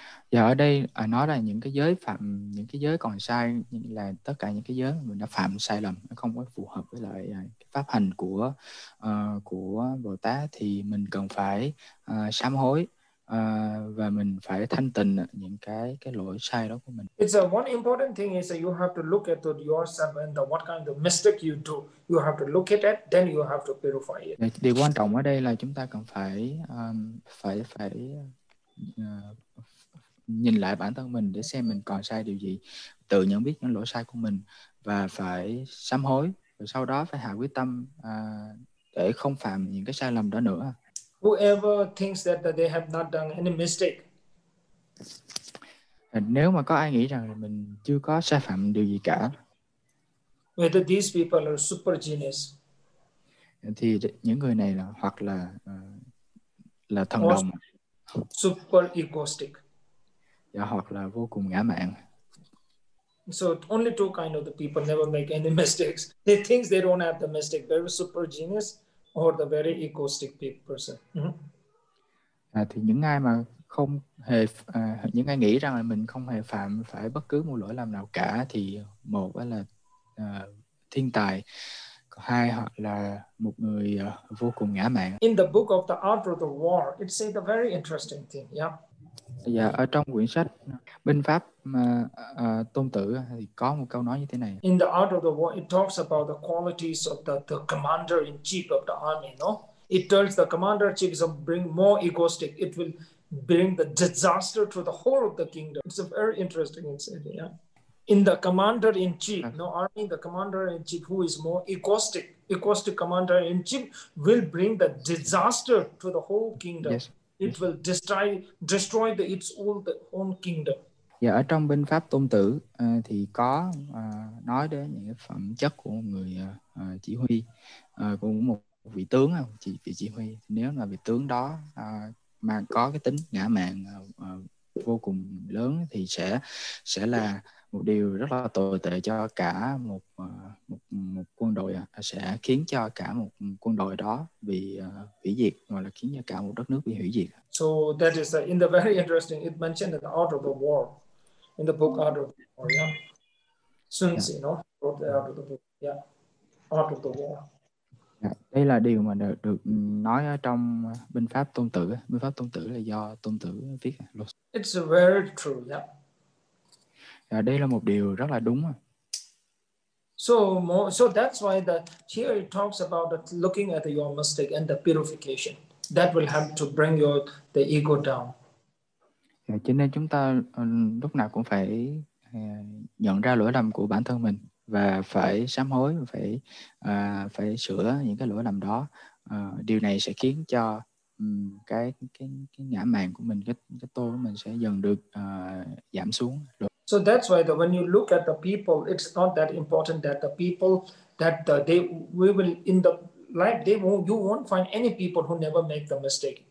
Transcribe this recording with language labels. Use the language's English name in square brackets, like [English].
[Vietnamese] Dạ, ở đây nói là những cái giới phạm, những cái giới còn sai là tất cả những cái giới mình đã phạm sai lầm, nó không có phù hợp với lại cái pháp hành của Bồ Tát, thì mình cần phải sám hối và mình phải thanh tịnh những cái lỗi sai đó của mình. [English] It's a one important thing is that you have to look at yourself and the what kind of mistake you do. You have to look at it, then you have to purify it. [Vietnamese] Điều quan trọng ở đây là chúng ta cần phải phải nhìn lại bản thân mình để xem mình còn sai điều gì, tự nhận biết những lỗi sai của mình và phải sám hối, rồi sau đó phải hạ quyết tâm để không phạm những cái sai lầm đó nữa. [English] Whoever thinks that they have not done any mistake. [Vietnamese] Nếu mà có ai nghĩ rằng mình chưa có sai phạm điều gì cả. [English] Whether these people are super genius. [Vietnamese] Thì những người này là hoặc là thần or đồng. [English] Super egoistic. [Vietnamese] Dạ, hoặc là vô cùng ngã mạn. [English] So only two kind of the people never make any mistakes. They think they don't have the mistake. Very super genius or the very egoistic person. [Vietnamese] À, thì những ai mà không hề những ai nghĩ rằng là mình không hề phạm phải bất cứ một lỗi lầm nào cả thì một là thiên tài, hai hoặc là một người vô cùng ngã mạn. [English] In the book of the Art of the War, it says a very interesting thing. Yeah. [Vietnamese] Dạ, ở trong quyển sách Binh Pháp Tôn Tử thì có một câu nói như thế này. [English] In the Art of the War, it talks about the qualities of the commander in chief of the army, no? It tells the commander in chief to bring more egoistic. It will bring the disaster to the whole of the kingdom. It's a very interesting insight. Yeah? In the commander in chief, no army, the commander in chief who is more egoistic commander in chief will bring the disaster to the whole kingdom. Yes. It will destroy the its own kingdom. [Vietnamese] Và ở trong bên Pháp Tôn Tử thì có nói đến những phẩm chất của người chỉ huy, của một vị tướng, chỉ huy. Nếu mà vị tướng đó mà có cái tính ngã mạn vô cùng lớn thì sẽ là một điều rất là tồi tệ cho cả một quân đội, sẽ khiến cho cả một quân đội đó bị hủy diệt, hoặc là khiến cho cả một đất nước bị hủy diệt. [English] So that is in the very interesting, it mentioned the art of the war in the book Art of the War, yeah. Sun Tzu, you know, wrote the art of the book, yeah. Art of the War. [Vietnamese] Đây là điều mà được nói ở trong binh pháp Tôn Tử. Binh pháp Tôn Tử là do Tôn Tử viết. [English] It's very true, yeah. [Vietnamese] Đây là một điều rất là đúng. [English] So that's why here it talks about looking at your mistake and the purification. That will help to bring the ego down. [Vietnamese] Cho nên chúng ta lúc nào cũng phải nhận ra lỗi lầm của bản thân mình, và phải sám hối, phải sửa những cái lỗi lầm đó. Điều này sẽ khiến cho cái ngã mạn của mình, cái tôi của mình sẽ dần được giảm xuống. [English] So that's why when you look at the people, it's not that important that the people that they we will in the life they won't, you won't find any people who never make the mistake.